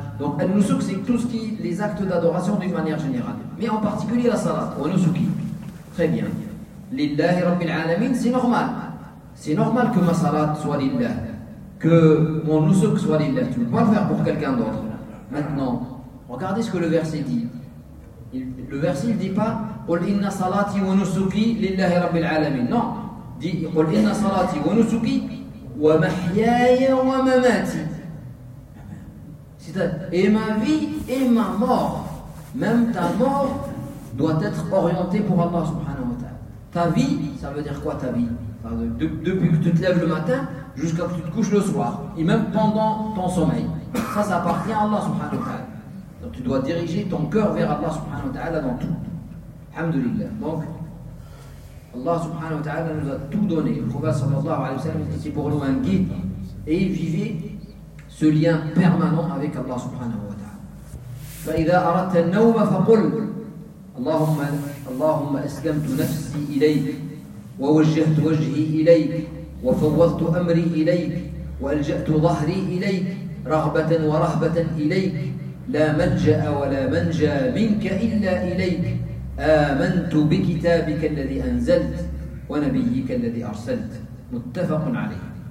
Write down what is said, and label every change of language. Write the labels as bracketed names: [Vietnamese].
[French] Donc, un nusuk, c'est tout ce qui est les actes d'adoration d'une manière générale. Mais en particulier la salat. Ou nusuki. Très bien. [Arabic] Lillahi rabbil alamin, [French] c'est normal. C'est normal que ma salat soit lillah. Que mon nusuk soit lillah. Tu ne peux pas le faire pour quelqu'un d'autre. Maintenant. Regardez ce que le verset dit. Le verset ne dit pas [Arabic] قُلْ إِنَّ صَلَاتِي وَنُسُكِي لِلَّهِ رَبِّ الْعَالَمِينَ. [French] Non. [Arabic] Dit قُلْ إِنَّ صَلَاتِي وَنُسُكِي وَمَحْيَايَ وَمَمَاتِي. [French] C'est-à-dire, et ma vie et ma mort. Même ta mort doit être orientée pour Allah subhanahu wa ta'ala. Ta vie, ça veut dire quoi ta vie? Depuis que tu te lèves le matin jusqu'à que tu te couches le soir. Et même pendant ton sommeil. Ça appartient à Allah subhanahu wa ta'ala. Tu dois diriger ton cœur vers Allah subhanahu wa ta'ala dans tout. Alhamdulillah. Donc, Allah subhanahu wa ta'ala nous a tout donné. Le prophète sallallahu alayhi wa sallam dit, c'est pour nous un guide. Et vivez ce lien permanent avec Allah subhanahu wa ta'ala. [Arabic] فَإِذَا أَرَدْتَ النَّوْمَ فَقُلْ اللَّهُمَّ أَسْلَمْتُ نَفْسِي إِلَيْكِ وَوَجَّهْتُ وَجْهِي إِلَيْكِ وَفَوَّضْتُ أَمْرِي إِلَيْكِ وَأَلْجَأْتُ ظَهْرِي إِلَيْكِ رَغْبَةً وَرَهْبَةً إِلَيْكِ لا ملجأ ولا منجا منك إلا إليك آمنت بكتابك الذي أنزلت ونبيك الذي أرسلت. متفق عليه.